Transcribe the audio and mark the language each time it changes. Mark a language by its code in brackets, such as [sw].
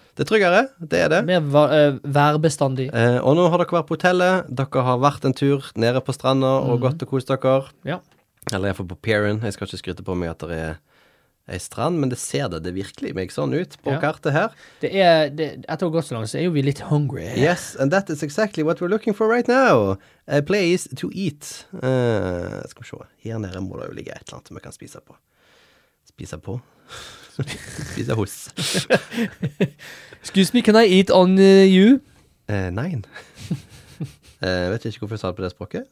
[no] Det er tryggere, det er det. Mer værbestandig. Og nå har dere vært på hotellet, dere har vært en tur nede på stranda og gått og koset dere. Ja. Eller jeg får på Pieren, jeg skal ikke skryte på meg at det er en strand, men det ser det virkelig meg sånn ut på kartet her. Det er, det, etter å gå så langt, så er jo vi litt hungry. [en] Yes, and that is exactly what we're looking for right now. A place to eat. [no] Skal vi se, her nede må det jo ligge et eller annet som jeg kan spise på. Spise på? Spise hos. [en] Excuse me, can I eat on you? [no] Nei. Vet ikke hvorfor jeg sa det på det språket.